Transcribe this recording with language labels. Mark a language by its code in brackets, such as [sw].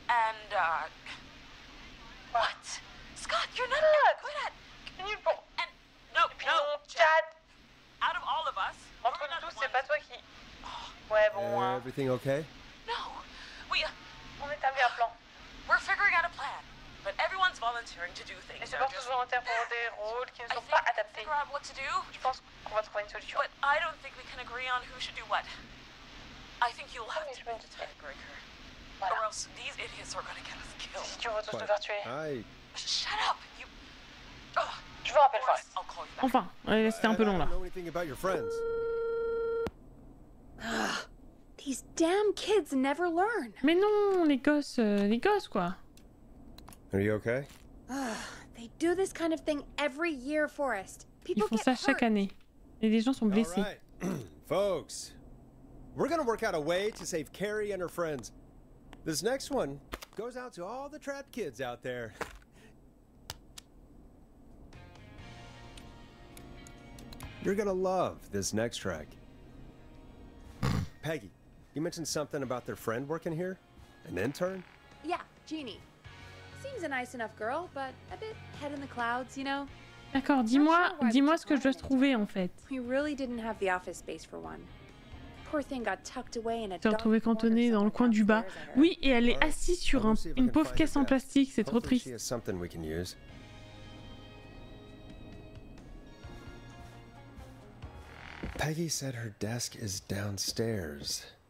[en] And what? Scott, you're not that good at. Can you pull? And no, no, Chad. Out of all of us, [fr] entre nous tous, c'est pas toi qui. Ouais, bon. [en] Everything okay? No. We. [fr] On établit un plan. [en] We're figuring out a plan, but everyone's volunteering to do things. [fr] Et c'est pas tous volontaires pour des rôles qui ne sont pas adaptés. [en] Figure out what to do. [fr] Je pense qu'on va trouver une solution. [en] But I don't think we can agree on who should do what. I think you'll have to meet Ted Breaker. Or else these idiots are gonna get us killed. [fr] Si tu veux tous nous faire tuer. [en] Shut up, you. [fr] Oh, je vous rappelle Forrest. [en] I'll call you back. [fr] Enfin, c'était un peu long là. [en] I don't know anything about your friends. These damn kids never learn. [fr] Mais non, les gosses quoi. [en] Are you okay? They do this kind of thing every year, Forrest. People [fr] Ils font ça [en] hurt. [fr] Chaque année. Et les gens sont blessés. [en] All right. Folks, we're gonna work out a way to save Carrie and her friends. This next one goes out to all the trapped kids out there. You're gonna love this next track. Peggy. You mentioned something about their friend working here? An intern? Yeah, Jeannie. Seems a nice enough girl, but a bit head in the clouds, you know? [fr] D'accord, dis-moi ce que je dois trouver en fait. [en] We really didn't have the office space for one. Poor thing got tucked away in a dark corner [fr] cantonnée dans le coin du bas. Oui, et elle est assise sur une pauvre caisse en plastique, c'est trop triste. [en] Hopefully she has something we can use. Peggy said her desk is downstairs.